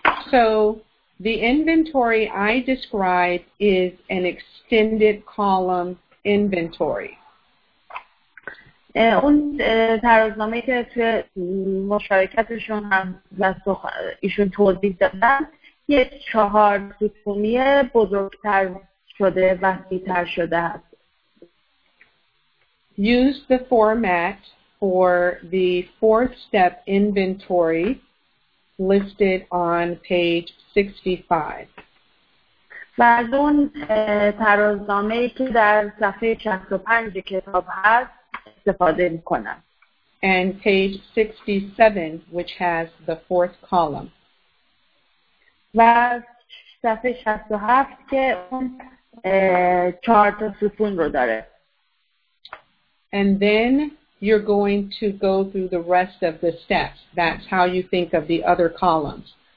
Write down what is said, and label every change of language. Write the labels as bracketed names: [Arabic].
[English] So the inventory I described is an extended column inventory. [Persian] اون ترازنامه که توی مشارکتشون هم ایشون توضیح دادن یک 4 ستونی بزرگتر شده و وسیع‌تر شده است. [English] Use the format for the fourth step inventory listed on page 65. [Persian] بعد اون ترازنامه که در صفحه 65 کتاب هست استفاده میکنم. [English] And page 67, which has the fourth column. [Persian] و صفحه 67 که اون چهار تا ستون رو داره. [English] And then you're going to go through the rest of the steps. That's how you think of the other columns.